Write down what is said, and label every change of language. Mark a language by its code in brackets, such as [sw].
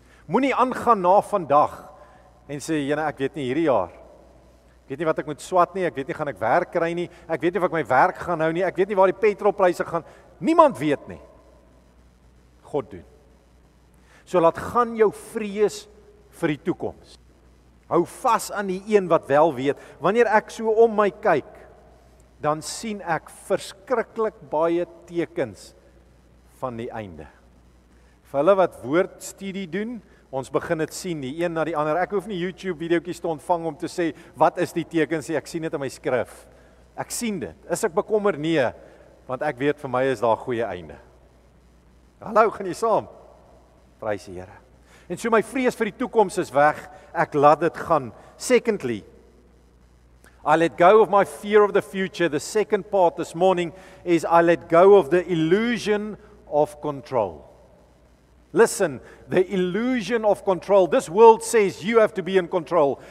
[af] Moenie aangaan na vandag en sê, jene, ek weet nie hierdie jaar. Ek weet nie wat ek moet swat nie, ek weet nie gaan ek werk kry nie, ek weet nie of ek my werk gaan hou nie, ek weet nie waar die petrolpryse gaan, niemand weet nie. God doen. So laat gaan jou vrees vir die toekoms. Hou vas aan die een wat wel weet. Wanneer ek so om my kyk, dan sien ek verskriklik baie tekens van die einde. Vir hulle wat woordstudie doen, ons begin het sien die een na die ander. Ek hoef nie YouTube videootjies te ontvang om te sê, wat is die tekens? Ek sien dit in my skrif. Ek sien dit. Is ek bekommer? Nee, want ek weet vir my is daar goeie einde. Hallo, gaan jy saam? Prys die Here. En so my vrees vir die toekoms is weg, ek laat dit gaan. [en] Secondly, I let go of my fear of the future. The second part this morning is I let go of the illusion of control. Listen, the illusion of control. This world says you have to be in control.